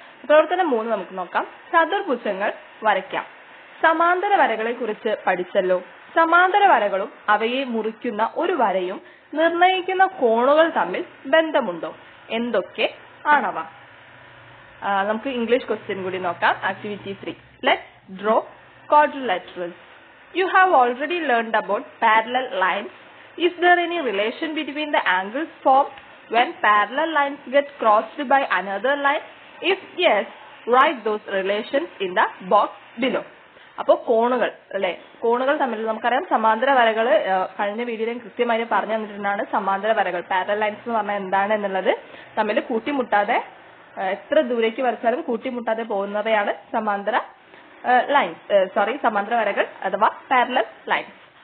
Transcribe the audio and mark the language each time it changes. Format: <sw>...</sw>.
<ml>പ്രവർത്തനം 3 നമുക്ക് നോക്കാം. ചതുർഭുജങ്ങൾ വരയ്ക്കാം. സമാന്തര വരകളെ കുറിച്ച് പഠിച്ചല്ലോ. സമാന്തര വരകളും അവയെ മുറിക്കുന്ന ഒരു വരയും നിർണയിക്കുന്ന കോണുകൾ തമ്മിൽ ബന്ധമുണ്ടോ? എന്തൊക്കെ ആണവ? നമുക്ക് ഇംഗ്ലീഷ് ക്വസ്റ്റ്യൻ കൂടി നോക്കാം.</ml> <en>Activity 3. Let's draw quadrilaterals. You have already learned about parallel lines. Is there any relation between the angles formed when parallel lines get crossed by another line? If yes, write those relations in the box below.</en> <ml>അപ്പോൾ കോണുകൾ അല്ലെ, കോണുകൾ തമ്മിൽ നമുക്കറിയാം സമാന്തര വരകൾ കഴിഞ്ഞ വീഡിയോയിൽ കൃത്യമായി പറഞ്ഞു തന്നിട്ടുണ്ടാണ്. സമാന്തര വരകൾ പാരലൽ ലൈൻസ് എന്ന് പറഞ്ഞാൽ എന്താണ് എന്നുള്ളത് തമ്മിൽ കൂട്ടിമുട്ടാതെ എത്ര ദൂരേക്ക് വരച്ചാലും കൂട്ടിമുട്ടാതെ പോകുന്നവയാണ് സമാന്തര ലൈൻസ്, സോറി സമാന്തര വരകൾ അഥവാ പാരലൽ ലൈൻസ്.</ml>